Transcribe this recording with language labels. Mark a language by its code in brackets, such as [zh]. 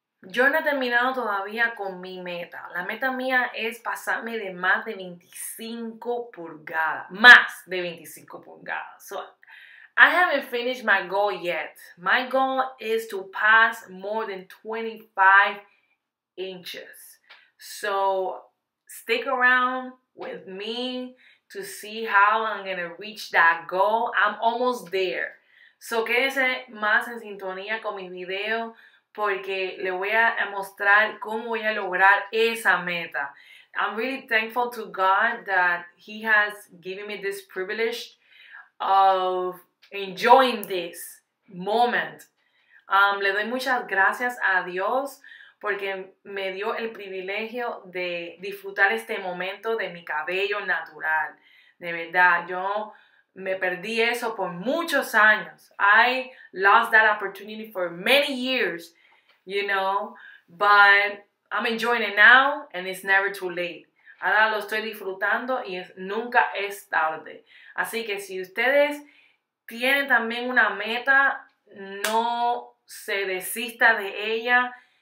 [es] Yo no he terminado todavía con mi meta. La meta mía es pasarme de más de 25 pulgadas. Más de 25 pulgadas. [en] So, I haven't finished my goal yet. My goal is to pass more than 25 inches. So, stick around with me to see how I'm going to reach that goal. I'm almost there. [es] So, quédense más en sintonía con mi video porque le voy a mostrar cómo voy a lograr esa meta. [en] I'm really thankful to God that He has given me this privilege of enjoying this moment. [es] Le doy muchas gracias a Dios porque me dio el privilegio de disfrutar este momento de mi cabello natural. De verdad, yo me perdí eso por muchos años. [en] I lost that opportunity for many years, you know. But I'm enjoying it now and it's never too late. [es] Ahora lo estoy disfrutando y nunca es tarde. Así que si ustedes tienen también una meta, no se desista de ella.